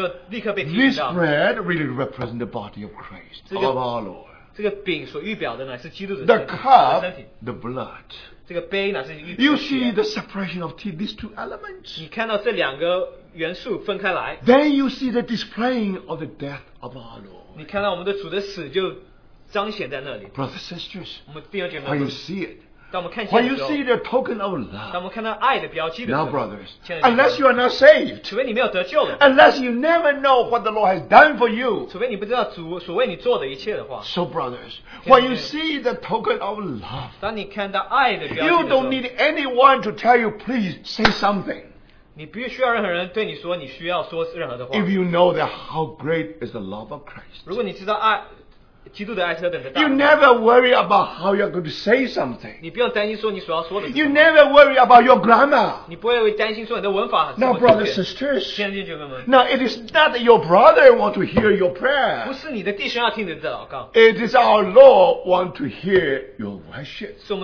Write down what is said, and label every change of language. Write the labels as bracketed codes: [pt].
[en] This bread really represents the body of Christ, of our Lord. [zh] 这个饼所预表的呢, [en] the cup, the blood. [zh] 这个杯呢, [en] you see the separation of tea, these two elements. [zh] 你看到这两个元素分开来, [en] then you see the displaying of the death of our Lord. [zh] 你看到我们的主的死就彰显在那里, [en] brothers and sisters, [zh] 我们弟兄姐妹, [en] when you see it, [zh] 当我们看见的时候, [en] when you see the token of love, [zh] 当我们看到爱的标记的时候, [en] now brothers, unless you are not saved, [zh] 除非你没有得救了, [en] unless you never know what the Lord has done for you, [zh] 除非你不知道主所为你做的一切的话, [en] so brothers, [zh] 现在, [en] when you see the token of love, [zh] 当你看到爱的标记的时候, [en] you don't need anyone to tell you, please say something. [zh] 你必须要任何人对你说你需要说任何的话, [en] if you know that how great is the love of Christ, [zh] 如果你知道爱, [en] you never worry about how you're going to say something. [zh] 你不用担心说你所要说的什么, [en] you never worry about your grammar. [zh] 你不会担心说你的文法, [en] now, brothers and sisters, [zh] 现在就慢慢, [en] now, it is not that your brother wants to hear your prayer. It is our Lord wants to hear your worship.